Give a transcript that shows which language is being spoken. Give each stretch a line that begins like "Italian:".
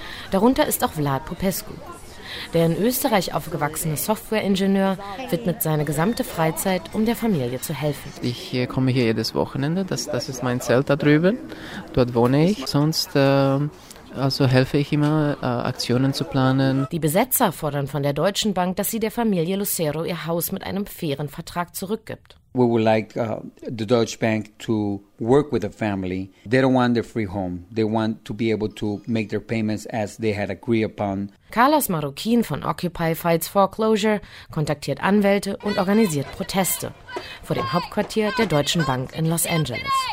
German: Darunter ist auch Vlad Popescu. Der in Österreich aufgewachsene Software-Ingenieur widmet seine gesamte Freizeit, um der Familie zu helfen. Ich komme hier jedes Wochenende, das ist mein Zelt da drüben, dort wohne ich. Sonst helfe ich immer, Aktionen zu planen. Die Besetzer fordern von der Deutschen Bank, dass sie der Familie Lucero ihr Haus mit einem fairen Vertrag zurückgibt.
English: We would like the Deutsche Bank to work with the family. They don't want their free home. They want to be able to make their payments as they had agreed upon.
German: Carlos Marroquin von Occupy Fights Foreclosure kontaktiert Anwälte und organisiert Proteste vor dem Hauptquartier der Deutschen Bank in Los Angeles.